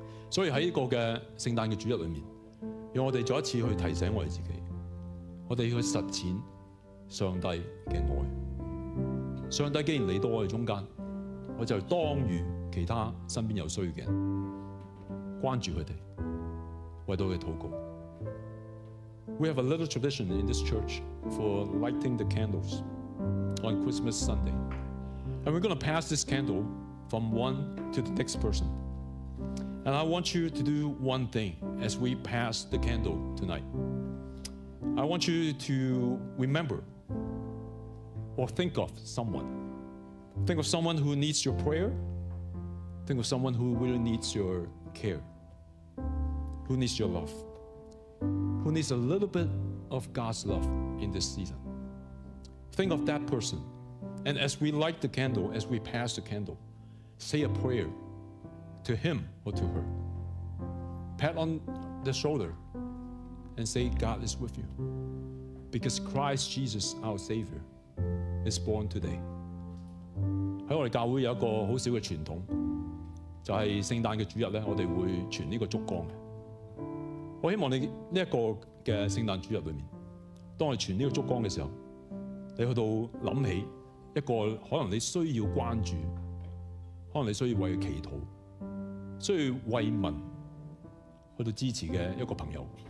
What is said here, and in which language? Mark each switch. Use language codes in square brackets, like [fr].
[zh] 所以在這個聖誕的主日裡面, 讓我們再一次去提醒我們自己, 我們去實踐上帝的愛。上帝既然來到我們中間, 我就當遇其他身邊有需要的人, 關注他們, 為他們禱告。 [en] We have a little tradition in this church for lighting the candles on Christmas Sunday. And we're going to pass this candle from one to the next person. And I want you to do one thing as we pass the candle tonight. I want you to remember or think of someone. Think of someone who needs your prayer. Think of someone who really needs your care. Who needs your love. Who needs a little bit of God's love in this season. Think of that person. And as we light the candle, as we pass the candle, say a prayer to him or to her. Pat on the shoulder and say, God is with you. Because Christ Jesus, our Savior, is born today. [zh] 在我們教會有一個很小的傳統, 就是聖誕的主日呢, 我們會傳這個燭光。我希望你這個聖誕主日裡面, 當我們傳這個燭光的時候, 你去到想起一個可能你需要關注, 可能你需要為他祈禱, 需要慰問去到支持的一個朋友。